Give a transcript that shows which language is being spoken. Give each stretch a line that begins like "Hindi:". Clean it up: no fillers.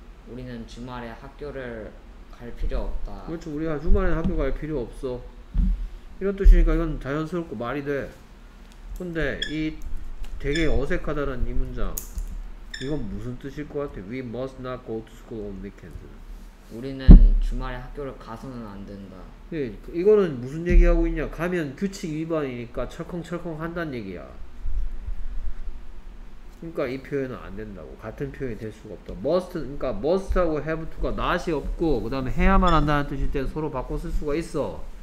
Korean: 우리는 주말에 학교를 갈 필요 없다. 그렇죠. 우리가 주말에 학교 갈 필요 없어. 이런 뜻이니까 이건 자연스럽고 말이 돼. 근데 이 되게 어색하다는 이 문장, 이건 무슨 뜻일 것 같아?
English: We must not go to school on weekends.
Korean: 우리는 주말에 학교를 가서는 안 된다. 예, 이거는 무슨 얘기하고 있냐? 가면 규칙 위반이니까 철컹철컹 한다는 얘기야. 그러니까 이 표현은 안 된다고. 같은 표현이 될 수가 없다. must, 그러니까 must하고 have to가 not이 없고 그 다음에 해야만 한다는 뜻일 때 서로 바꿔 쓸 수가 있어.